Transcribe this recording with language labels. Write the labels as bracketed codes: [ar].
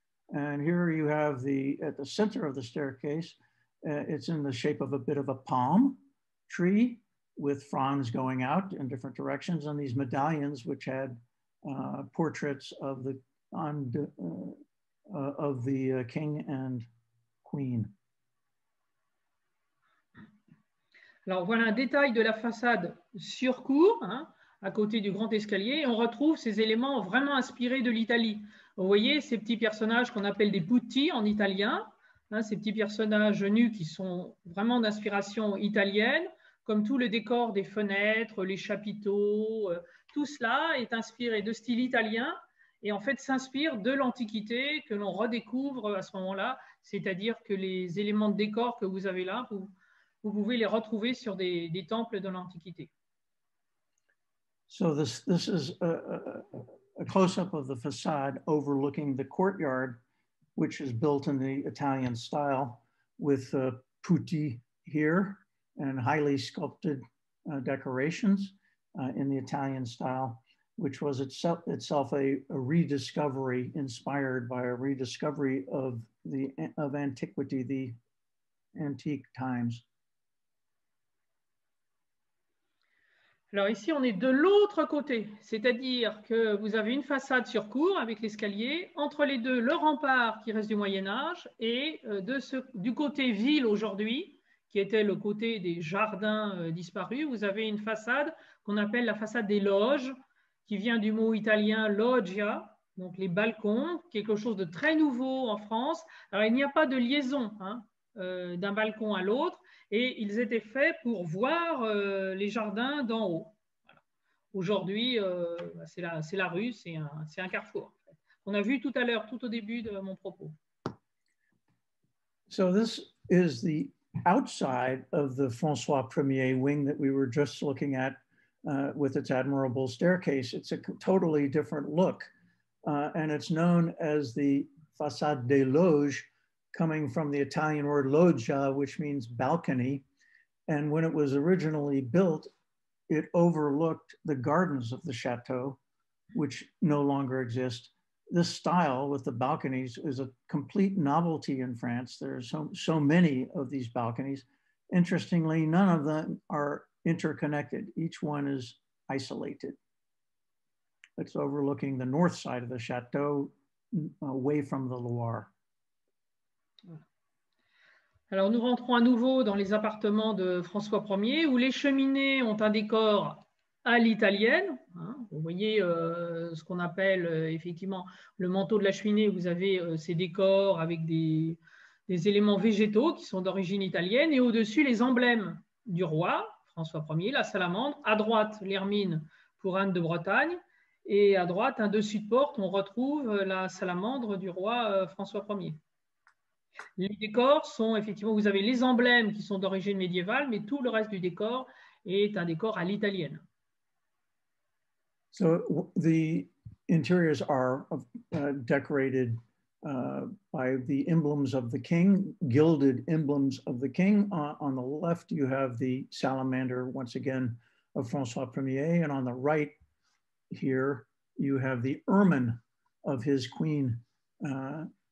[en] And here you have at the center of the staircase, it's in the shape of a bit of a palm tree with fronds going out in different directions and these medallions which had portraits of the king and queen. [fr] Alors voilà un détail de la façade sur cour, hein, à côté du grand escalier. On retrouve ces éléments vraiment inspirés de l'Italie. Vous voyez ces petits personnages qu'on appelle des putti en italien, hein, ces petits personnages nus qui sont vraiment d'inspiration italienne, comme tout le décor des fenêtres, les chapiteaux, tout cela est inspiré de style italien et en fait s'inspire de l'Antiquité que l'on redécouvre à ce moment-là, c'est-à-dire que les éléments de décor que vous avez là, vous pouvez les retrouver sur des temples de l'Antiquité. [en] So this is a close-up of the facade overlooking the courtyard, which is built in the Italian style with putti here and highly sculpted decorations in the Italian style, which was itself a rediscovery inspired by a rediscovery of antiquity, the antique times. [fr] Alors ici, on est de l'autre côté, c'est-à-dire que vous avez une façade sur cour avec l'escalier, entre les deux, le rempart qui reste du Moyen-Âge et du côté ville aujourd'hui, qui était le côté des jardins disparus, vous avez une façade qu'on appelle la façade des loges, qui vient du mot italien loggia, donc les balcons, quelque chose de très nouveau en France. Alors il n'y a pas de liaison, hein, d'un balcon à l'autre. Et ils étaient faits pour voir les jardins d'en haut. Voilà. Aujourd'hui, c'est la rue, c'est un carrefour. En fait. On a vu tout à l'heure, tout au début de mon propos. [en] So this is the outside of the François Ier wing that we were just looking at with its admirable staircase. It's a totally different look. And it's known as the Façade des Loges, coming from the Italian word loggia, which means balcony. And when it was originally built, it overlooked the gardens of the chateau, which no longer exist. This style with the balconies is a complete novelty in France. There are so many of these balconies. Interestingly, none of them are interconnected. Each one is isolated. It's overlooking the north side of the chateau, away from the Loire. [fr] Alors nous rentrons à nouveau dans les appartements de François Ier, où les cheminées ont un décor à l'italienne. Vous voyez ce qu'on appelle effectivement le manteau de la cheminée. Vous avez ces décors avec des éléments végétaux qui sont d'origine italienne. Et au-dessus, les emblèmes du roi, François Ier, la salamandre. À droite, l'hermine pour Anne de Bretagne. Et à droite, un dessus de porte, on retrouve la salamandre du roi François Ier. Les décors sont effectivement, vous avez les emblèmes qui sont d'origine médiévale, mais tout le reste du décor est un décor à l'italienne. [en] So the interiors are decorated by the emblems of the king, gilded emblems of the king. On the left, you have the salamander, once again, of François Ier. And on the right here, you have the ermine of his queen, Claude.